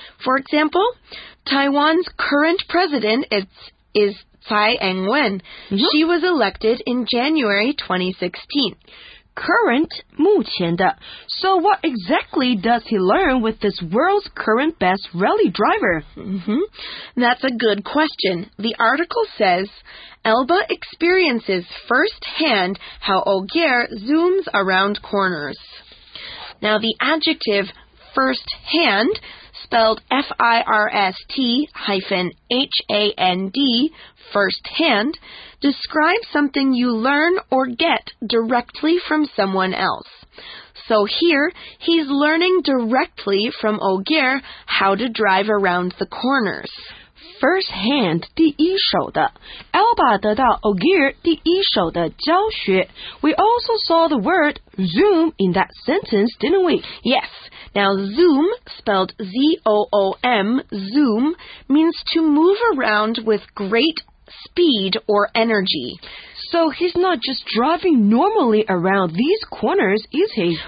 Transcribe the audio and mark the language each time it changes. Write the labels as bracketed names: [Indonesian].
[English] For example, Taiwan's current president is Tsai Ing-wen. Mm-hmm. She was elected in January 2016. [Chinese] Current, 目前的. [English] So what exactly does he learn with this world's current best rally driver? That's a good question. The article says, Elba experiences firsthand how Ogier zooms around corners. Now, the adjective firsthand, spelled F-I-R-S-T hyphen H-A-N-D, firsthand, describe something you learn or get directly from someone else. So here, he's learning directly from Ogier how to drive around the corners. [Chinese] First hand, 第一手的. Elba 得到 Ogier 第一手的教学. [English] We also saw the word zoom in that sentence, didn't we? Yes. Now, zoom, spelled Z-O-O-M, zoom, means to move around with great speed or energy. So he's not just driving normally around these corners, is he?